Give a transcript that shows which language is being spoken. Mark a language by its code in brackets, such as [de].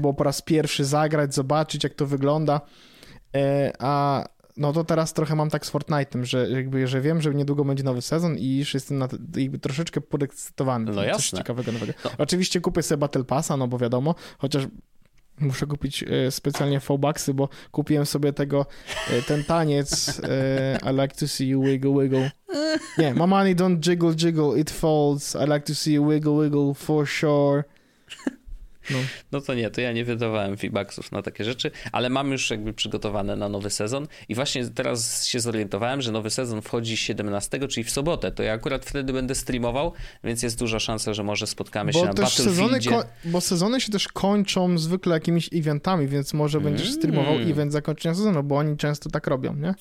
[pl] było po raz pierwszy zagrać, zobaczyć, jak to wygląda. A no to teraz trochę mam tak z Fortnite'em, że jakby, że wiem, że niedługo będzie nowy sezon i już jestem na, jakby troszeczkę podekscytowany. No jasne. Coś ciekawego nowego. No. Oczywiście kupię sobie Battle Passa, no bo wiadomo, chociaż muszę kupić specjalnie V-Bucksy, bo kupiłem sobie tego, ten taniec I like to see you wiggle wiggle. [en] Nie, my money don't jiggle jiggle, it falls, I like to see you wiggle wiggle for sure. [pl] No. No to nie, to ja nie wydawałem V-Bucksów na takie rzeczy, ale mam już jakby przygotowane na nowy sezon i właśnie teraz się zorientowałem, że nowy sezon wchodzi 17, czyli w sobotę, to ja akurat wtedy będę streamował, więc jest duża szansa, że może spotkamy bo się na Battlefieldzie. Bo sezony się też kończą zwykle jakimiś eventami, więc może będziesz streamował event zakończenia sezonu, bo oni często tak robią, nie?